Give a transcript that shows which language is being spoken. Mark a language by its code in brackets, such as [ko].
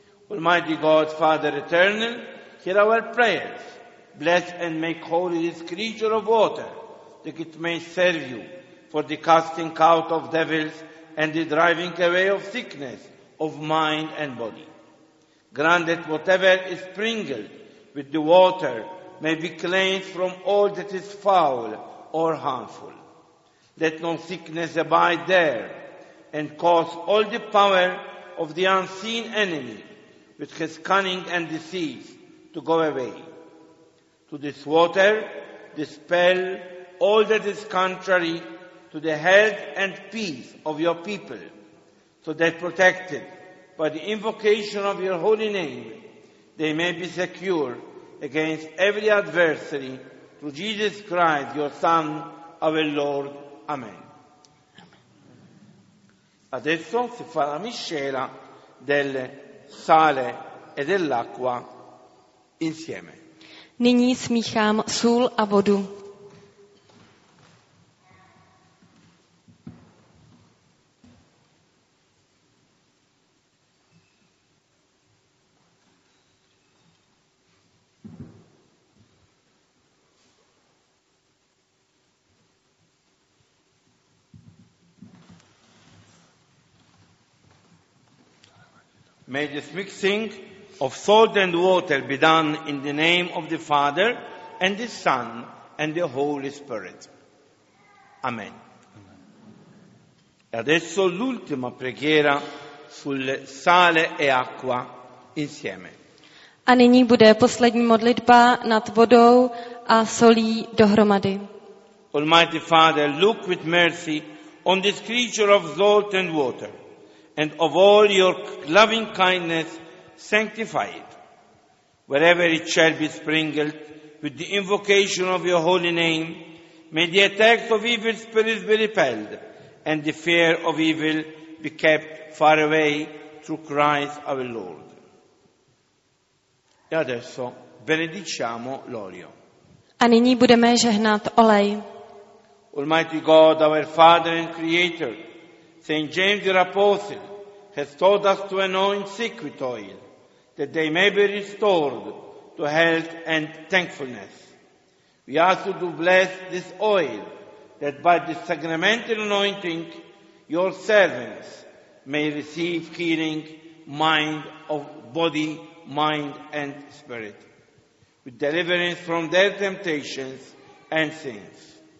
[en] Almighty God, Father Eternal, hear our prayers. Bless and make holy this creature of water, that it may serve you for the casting out of devils and the driving away of sickness of mind and body. Grant that whatever is sprinkled with the water may be cleansed from all that is foul or harmful. Let no sickness abide there, and cause all the power of the unseen enemy with his cunning and deceit to go away. To this water dispel all that is contrary to the health and peace of your people, so that protected by the invocation of your holy name, they may be secure against every adversary, through Jesus Christ, your Son, our Lord. Amen. [it] Adesso si fa la miscela del sale e dell'acqua insieme. [cs] Nyní smíchám sůl a vodu. [en] May this mixing of salt and water be done in the name of the Father and the Son and the Holy Spirit. Amen. [it] E adesso l'ultima preghiera sul sale e acqua insieme. [cs] A nyní bude poslední modlitba nad vodou a solí dohromady. [en] Almighty Father, look with mercy on this creature of salt and water, and of all your loving kindness, sanctify it. Wherever it shall be sprinkled with the invocation of your holy name, may the attacks of evil spirits be repelled, and the fear of evil be kept far away through Christ our Lord. [it] E adesso benediciamo l'olio. [cs] A nyní budeme žehnat olej. [en] Almighty God, our Father and Creator, Saint James the Apostle, has taught us to anoint sick with oil, that they may be restored to health and thankfulness. We ask you to bless this oil, that by the sacramental anointing, your servants may receive healing, mind of body, mind and spirit, with deliverance from their temptations and sins.